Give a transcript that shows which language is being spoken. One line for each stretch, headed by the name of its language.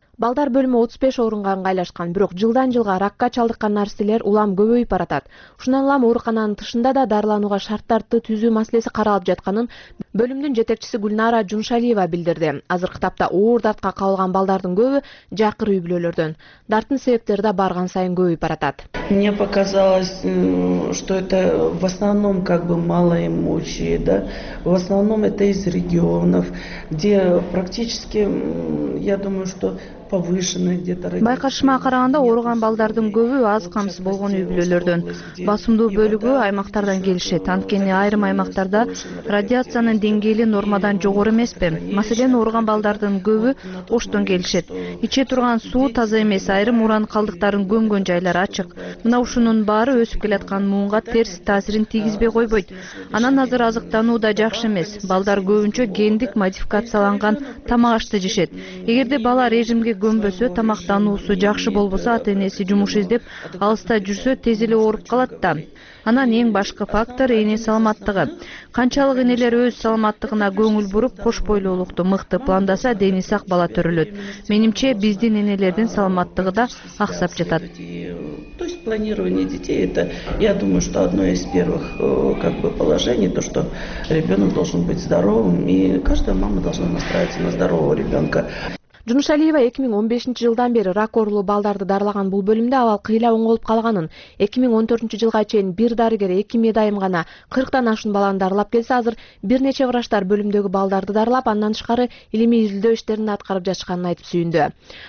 Kyrgyz: Балдар бөлүмү 35 орунга ыңгайлашкан, бирок жылдан жылга ракка чалдыккан нерселер улам көбөйүп баратат. Ушундан улам оорукананын тышында да дарыланууга шарттарды түзүү маселеси каралып жатканын бөлүмдүн жетекчиси Гүлнара Жумшалиева билдирди. Азыркы тапта оор дартка кабылган балдардын көбү жакыр үй бүлөлөрдөн. Дарттын себептери да барган сайын көбөйүп баратат.
Russian: Мне показалось, что это в основном как бы малоимущие, да? В основном это из регионов, где практически, я думаю, что
Kyrgyz: Байкашыма караганда ооруган балдардын көбү аз камсыз болгон үй бүлөлөрдөн. Басымдуу бөлүгү аймактардан келишет. Анткени айрым аймактарда радиациянын деңгээли нормадан жогору эмеспи? Маселен, ооруган балдардын көбү Оштон келишет. Иче турган суу таза эмес, айрым уран калдыктарын көмгөн жайлар ачык. Мына ушунун баары өсүп келаткан муунга терс таасирин тийгизбей койбойт. Анан азыр азыктануу да жакшы эмес. Балдар көбүнчө гендик модификацияланган тамак ашты жешет. Эгерде бала режим көнбөсө, тамактануусу жакшы болбосо, ата энеси жумуш издеп алыста жүрсө тез эле ооруп калат да. Анан эң башкы фактор эне саламаттыгы. Канчалык энелер өз саламаттыгына көңүл буруп, кош бойлуулукту мыкты пландаса, дени сак бала төрөлөт. Менимче, биздин энелердин саламаттыгы да аксап жатат.
Russian: То есть планирование детей, это, я думаю, что одно из первых как бы положений, то, что ребенок должен быть здоровым, и каждая мама должна настраиваться на здорового ребенка.
Kyrgyz: Жумшалиева 2015 жылдан бери рак оорулуу балдарды дарылаган бул бөлүмдө абал кыйла оңолуп калганын, 2014 жылга чейин бир дарыгер, 2 медайым гана 40 ашуун баланы дарылап келсе, азыр бир нече врачтар бөлүмдөгү балдарды дарылап, андан тышкары илимий изилдөө иштерин аткарып жатышканын айтып сүйүндү.